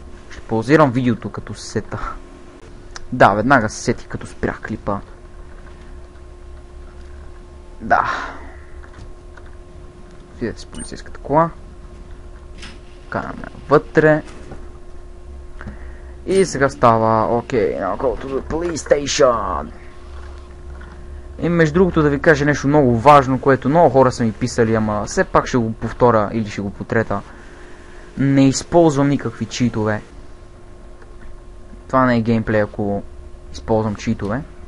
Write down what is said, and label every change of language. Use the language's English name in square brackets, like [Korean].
[Bulgarian] Ще паузирам видеото като сета. Да, веднага се сети като спрях клипа. Да. Видете с полицейската кола. Караме вътре. [English] И сега става окей, now go to the police station. [Bulgarian] И между другото да ви кажа нещо много важно, което много хора са ми писали, ама все пак ще го повторя или ще го потрета. Не използвам никакви читове. Това не е геймплей, ако използвам читове.